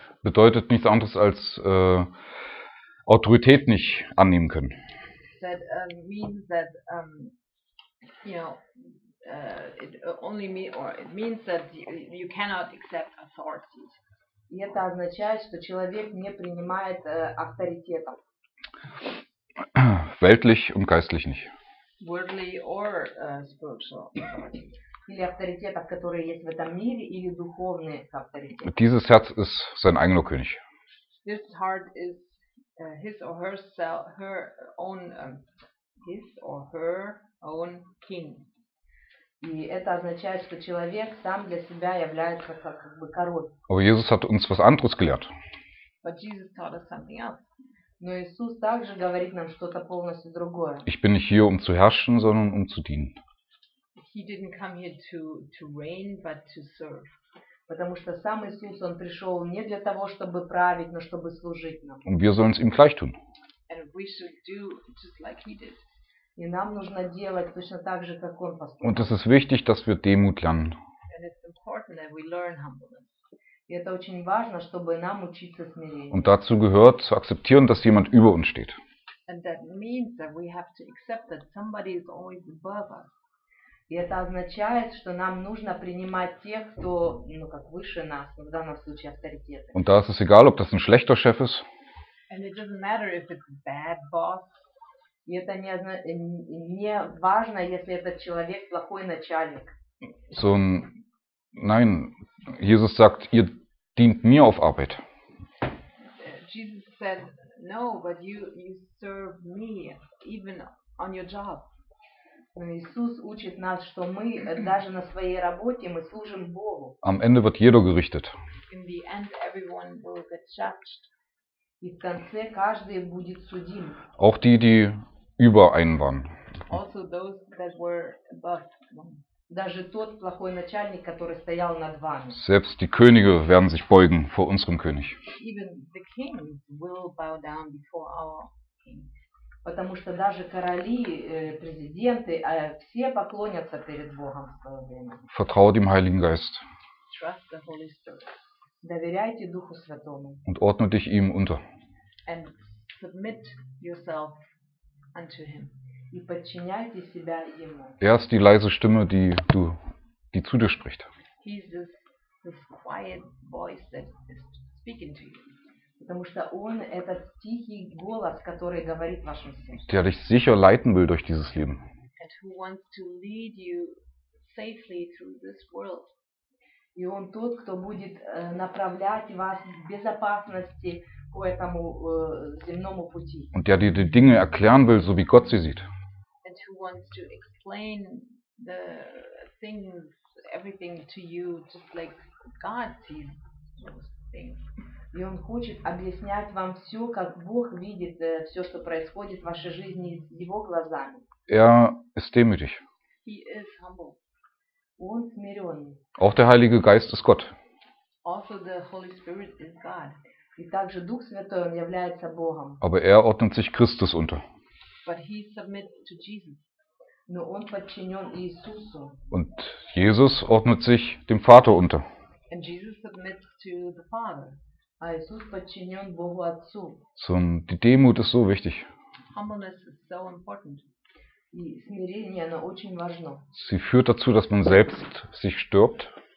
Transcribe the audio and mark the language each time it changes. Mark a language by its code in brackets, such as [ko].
[de] Bedeutet nichts anderes als Autorität nicht annehmen können. [en] That means that you know it only me or it means that you cannot accept authority. [ru] И это означает, что человек не принимает авторитета. [de] Weltlich und geistlich nicht. [en] Worldly or spiritual. [ru] Или авторитетов, которые есть в этом мире, или духовные авторитеты. [de] Dieses Herz ist sein eigener König. [en] This heart is his or herself, her own, his or her own king. [ru] И это означает, что человек сам для себя является как, как бы король. [de] Aber Jesus hat uns was anderes gelehrt. [en] But Jesus taught us something else. [ru] Но Иисус также говорит нам что-то полностью другое. [de] Ich bin nicht hier, um zu herrschen, sondern um zu dienen. [en] He didn't come here to reign, but to serve. [ru] Потому что сам Иисус, он пришел не для того, чтобы править, но чтобы служить нам. [de] Und wir sollen es ihm gleich tun. [en] And we should do just like he did. [ru] И нам нужно делать точно так же, как он поступил. [de] Und es ist wichtig, dass wir Demut lernen. [en] And it's important that we learn humbleness. [ru] И это очень важно, чтобы нам учиться смирению. [de] Und dazu gehört zu akzeptieren, dass jemand über uns steht. [en] And that means that we have to accept that somebody is always above us. [ru] И это означает, что нам нужно принимать тех, кто, ну, как выше нас, в данном случае авторитеты. [de] Und da ist es egal, ob das ein schlechter Chef ist. [en] And it doesn't matter if it's a bad boss. [ru] И это не важно, если этот человек плохой начальник. [de] So, nein, Jesus sagt, ihr dient mir auf Arbeit. [en] Jesus said, no, but you serve me, even on your job. [ru] Иисус учит нас, что мы даже на своей работе мы служим Богу. [de] Am Ende wird jeder gerichtet. [en] In the end, everyone will get judged. [ru] И в конце каждый будет судим. [de] Auch die über einen waren. [en] Also those that were above them. [ru] Даже тот плохой начальник, который стоял над вами. [de] Selbst die Könige werden sich beugen vor unserem König. [en] Even the kings will bow down before our king. [ru] Потому что даже короли, президенты, все поклонятся перед Богом в свое время. [de] Vertraue dem Heiligen Geist. [en] Trust the Holy Spirit. [ru] Доверяйте Духу Святому. [de] Und ordne dich ihm unter. [en] And submit yourself unto him. [ru] И подчиняйте себя ему. [de] Er ist die leise Stimme, die zu dir spricht. [en] He is this quiet voice that is speaking to you. [ru] Потому что он этот тихий голос, который говорит вашим сердцем. [de] Der dich sicher leiten will durch dieses Leben. [en] And who wants to lead you safely through this world. [ru] И он тот, кто будет направлять вас в безопасности по этому земному пути. [de] Und der dir die Dinge erklären will, so wie Gott sie sieht. [en] And who wants to explain the things, everything to you, just like God sees those things. [ru] И он хочет объяснять вам все, как Бог видит все, что происходит в вашей жизни его глазами. [de] Er ist demütig. [en] He is humble. [ru] Он смиренный. [de] Auch der Heilige Geist ist Gott. [en] Also the Holy Spirit is God. [ru] И также Дух Святой, он является Богом. [de] Aber er ordnet sich Christus unter. [en] But he submits to Jesus. [ru] Но он подчинен Иисусу. [de] Und Jesus ordnet sich dem Vater unter. [en] And Jesus submits to the Father. [ru] А Иисус подчинен Богу Отцу. [de] So, die Demut ist so wichtig. [en] Humbleness is so important. [ru] И смирение, оно очень важно. [de] Sie führt dazu, dass man selbst sich stirbt.